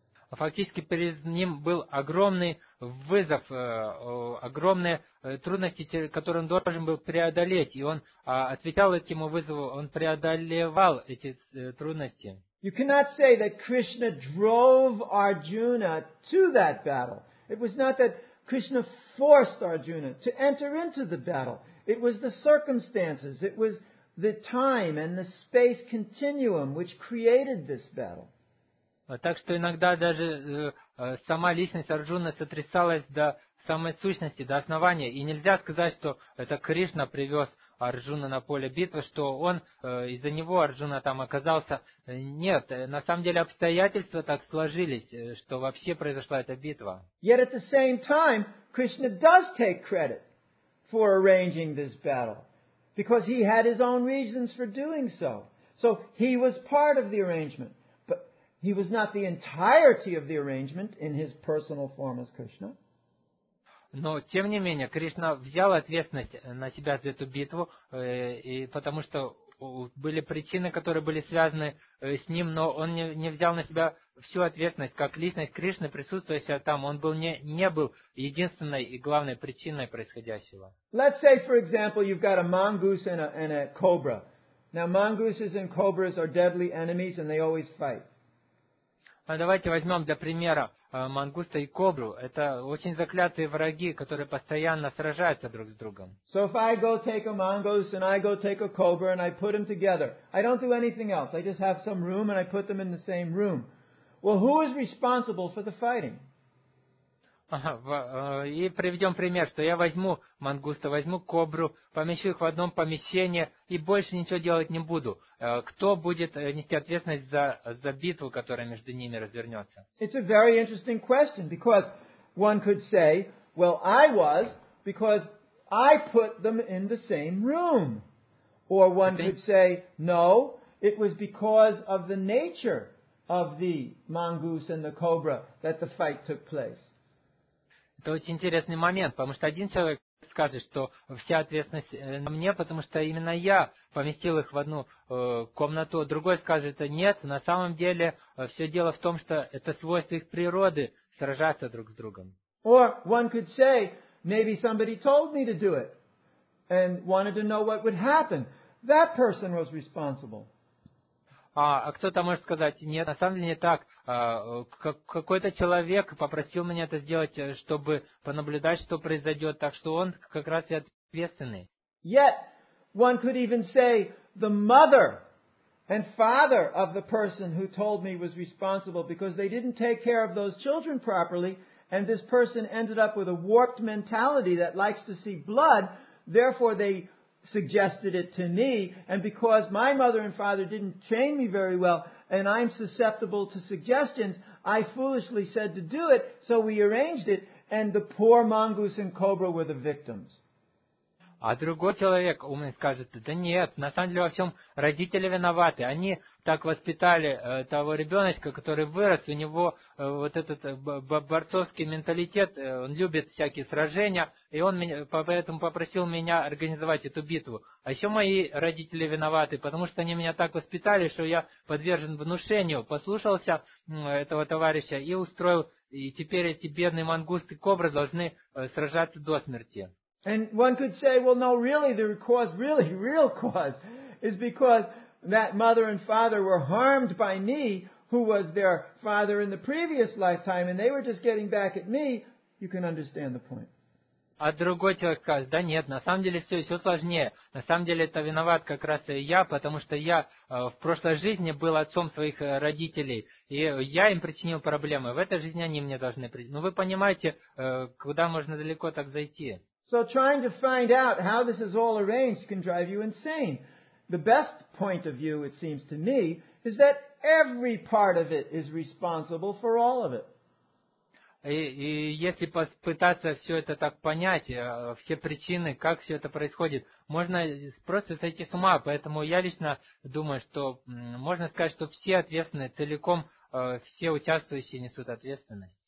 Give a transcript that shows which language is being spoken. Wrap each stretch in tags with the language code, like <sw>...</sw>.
<ru>Фактически перед ним был огромный вызов, огромные трудности, которые он должен был преодолеть, и он отвечал этому вызову, он преодолевал эти трудности.</ru> <en>You cannot say that Krishna drove Arjuna to that battle. It was not that Krishna forced Arjuna to enter into the battle. It was the circumstances, it was the time and the space continuum which created this battle.</en> <ru>Так что иногда даже сама личность Арджуны сотрясалась до самой сущности, до основания. И нельзя сказать, что это Кришна привез Арджуна на поле битвы, что он из-за него Арджуна там оказался. Нет, на самом деле обстоятельства так сложились, что вообще произошла эта битва.</ru> <en>Yet at the same time, Krishna does take credit for arranging this battle, because he had his own reasons for doing so. So he was part of the arrangement, but he was not the entirety of the arrangement in his personal form as Krishna.</en> <ru>Но, тем не менее, Кришна взял ответственность на себя за эту битву, и потому что были причины, которые были связаны с ним, но он не взял на себя всю ответственность, как личность Кришны, присутствующая там. Он был не был единственной и главной причиной происходящего.</ru> <en>Let's say, for example, you've got a mongoose and a cobra. Now, mongooses and cobras are deadly enemies, and they always fight.</en> <ru>Давайте возьмем для примера мангуста и кобру. Это очень заклятые враги, которые постоянно сражаются друг с другом.</ru> <en>So if I go take a mongoose and I go take a cobra and I put them together, I don't do anything else. I just have some room and I put them in the same room. Well, who is responsible for the fighting?</en> <ru>И приведем пример, что я возьму мангуста, возьму кобру, помещу их в одном помещении и больше ничего делать не буду. Кто будет нести ответственность за битву, которая между ними развернется?</ru> <en>It's a very interesting question, because one could say, well, I was, because I put them in the same room. Or one could say, no, it was because of the nature of the mongoose and the cobra that the fight took place.</en> <ru>Это очень интересный момент, потому что один человек скажет, что вся ответственность на мне, потому что именно я поместил их в одну комнату. Другой скажет, нет, на самом деле все дело в том, что это свойство их природы сражаться друг с другом.</ru> <en>Or one could say, maybe somebody told me to do it and wanted to know what would happen. That person was responsible.</en> <ru>А кто-то может сказать, нет, на самом деле не так. Какой-то человек попросил меня это сделать, чтобы понаблюдать, что произойдет, так что он как раз и ответственный.</ru> <en>Yet, one could even say, the mother and father of the person who told me was responsible because they didn't take care of those children properly, and this person ended up with a warped mentality that likes to see blood, therefore they suggested it to me, and because my mother and father didn't train me very well, and I'm susceptible to suggestions, I foolishly said to do it, so we arranged it, and the poor mongoose and cobra were the victims.</en> <ru>А другой человек умный скажет, да нет, на самом деле во всем родители виноваты. Они так воспитали того ребеночка, который вырос, у него вот этот борцовский менталитет, он любит всякие сражения, и он поэтому попросил меня организовать эту битву. А еще мои родители виноваты, потому что они меня так воспитали, что я подвержен внушению, послушался этого товарища и устроил, и теперь эти бедные мангусты и кобры должны сражаться до смерти.</ru> <en>And one could say, well, no, really, the cause, really, real cause is because that mother and father were harmed by me, who was their father in the previous lifetime, and they were just getting back at me. You can understand the point.</en> <ru>А другой человек скажет, да нет, на самом деле все сложнее. На самом деле это виноват как раз и я, потому что я в прошлой жизни был отцом своих родителей, и я им причинил проблемы. В этой жизни они мне должны причинить. Ну, вы понимаете, куда можно далеко так зайти.</ru> <en>So trying to find out how this is all arranged can drive you insane. The best point of view, it seems to me, is that every part of it is responsible for all of it.</en> <ru>И если попытаться все это так понять, все причины, как все это происходит, можно просто сойти с ума. Поэтому я лично думаю, что можно сказать, что все ответственные, целиком все участвующие несут ответственность.</ru>